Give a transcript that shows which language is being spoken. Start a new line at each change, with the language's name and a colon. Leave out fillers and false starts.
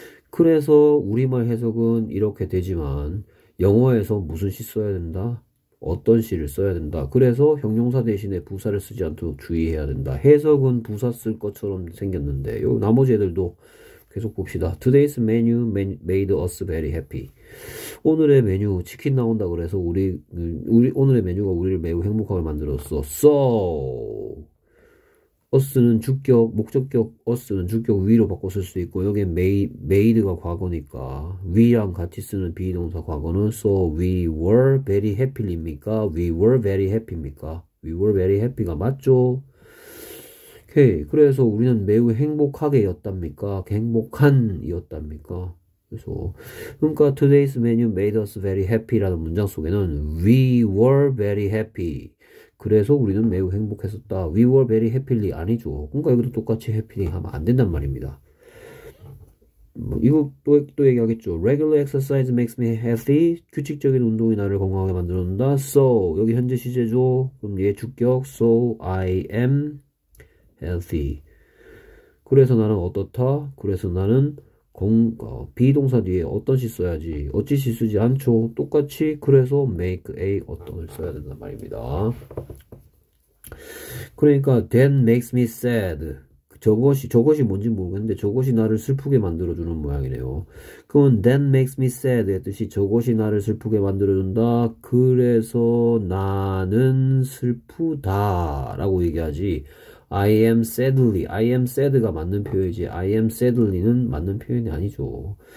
Korean: 그래서 우리말 해석은 이렇게 되지만 영어에서 무슨 시 써야 된다? 어떤 시를 써야 된다. 그래서 형용사 대신에 부사를 쓰지 않도록 주의해야 된다. 해석은 부사 쓸 것처럼 생겼는데, 요 나머지 애들도 계속 봅시다.
English: Today's menu made us very happy.
Korean: 오늘의 메뉴 치킨 나온다 그래서 오늘의 메뉴가 우리를 매우 행복하게 만들었어. So, us는 주격, 목적격 us는 주격 위로 바꿔 쓸수 있고 여기에 made가 과거니까 we랑 같이 쓰는 비동사 과거는 so
English: we were very happy
Korean: 입니까?
English: we were very happy입니까? we were very happy가 맞죠?
Korean: okay 그래서 우리는 매우 행복하게였답니까? 행복한이었답니까? 그래서 그러니까
English: today's menu made us very happy
Korean: 라는 문장 속에는
English: we were very happy
Korean: 그래서 우리는 매우 행복했었다.
English: We were very happily 아니죠.
Korean: 그러니까 여기도 똑같이 happily 하면 안 된단 말입니다. 이거 또 얘기하겠죠.
English: Regular exercise makes me healthy.
Korean: 규칙적인 운동이 나를 건강하게 만들어준다. So, 여기 현재 시제죠. 그럼 얘 주격. So,
English: I am healthy.
Korean: 그래서 나는 어떻다? 그래서 나는 비동사 뒤에 어떤 시 써야지? 어찌 시 쓰지 않죠? 똑같이 그래서 make a 어떤을 써야 된단 말입니다. 그러니까
English: that makes me sad.
Korean: 저것이 뭔지 모르겠는데 저것이 나를 슬프게 만들어 주는 모양이네요. 그건
English: that makes me sad
Korean: 의 뜻이 저것이 나를 슬프게 만들어 준다. 그래서 나는 슬프다라고 얘기하지.
English: I am sadly. I am sad
Korean: 가 맞는 표현이지.
English: I am sadly는 맞는 표현이 아니죠.